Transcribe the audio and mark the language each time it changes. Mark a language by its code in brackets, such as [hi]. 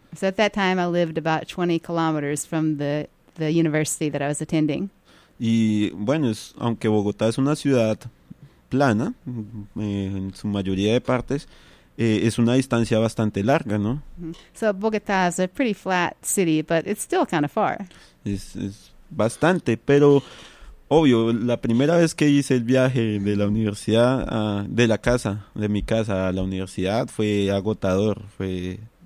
[en] So at that time I lived about 20 kilometers from the university that I was attending. [es] Y bueno, aunque Bogotá es una ciudad plana, en su mayoría de partes, es una distancia bastante larga, ¿no? [en] So Bogotá is a pretty flat city, but it's still kind of far. [es] Es bastante, pero obvio, la primera vez que hice el viaje de la universidad, de mi casa a la universidad, fue agotador, fue...